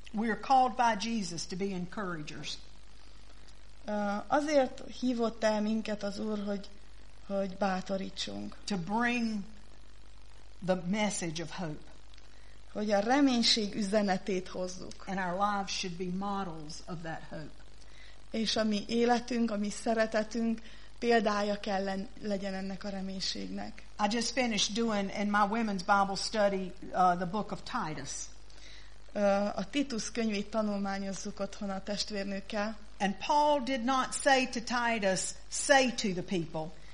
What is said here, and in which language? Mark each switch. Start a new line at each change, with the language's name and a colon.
English: We are called by Jesus to be encouragers.
Hungarian: Azért hívott el minket az Úr, hogy bátorítsunk.
English: To bring the message of hope.
Hungarian: Hogy a reménység üzenetét hozzuk.
English: And our lives should be models of that hope.
Hungarian: És a mi életünk, a mi szeretetünk példája kell legyen ennek a reménységnek.
English: I just finished doing in my women's Bible study the book of Titus.
Hungarian: A Titus könyvét tanulmányozzuk otthon a testvérnőkkel.
English: And Paul did not say to Titus, say to the people.